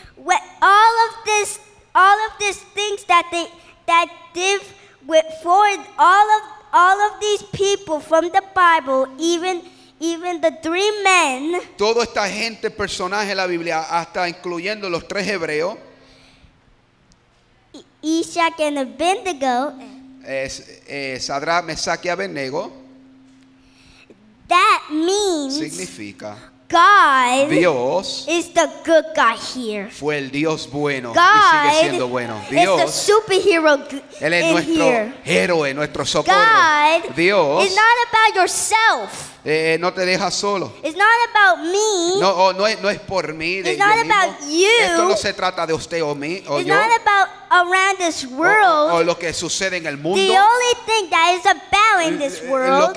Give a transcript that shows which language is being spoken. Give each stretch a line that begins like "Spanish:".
English: with all of these things that they went for all of these people from the Bible, even the three men.
Spanish: Todo esta gente, personaje de la Biblia, hasta incluyendo los tres hebreos.
English: Ishak and Abednego.
Spanish: Sadrach, Meshach, y Abednego.
English: That means.
Spanish: Significa.
English: God.
Spanish: Dios.
English: Is the good guy here.
Spanish: Fue el Dios bueno.
English: God.
Spanish: Y sigue siendo bueno. Dios.
English: Is the superhero.
Spanish: Él es
English: in
Spanish: nuestro
English: here.
Spanish: Héroe, nuestro socorro.
English: God.
Spanish: Dios.
English: Is not about yourself.
Spanish: No te dejas solo.
English: It's not about me.
Spanish: No es por mí.
English: It's not about you.
Spanish: Esto no se trata de usted o mí o
English: it's
Spanish: yo.
English: It's not about around this world.
Spanish: O lo que sucede en el mundo.
English: The only thing that is about in this world.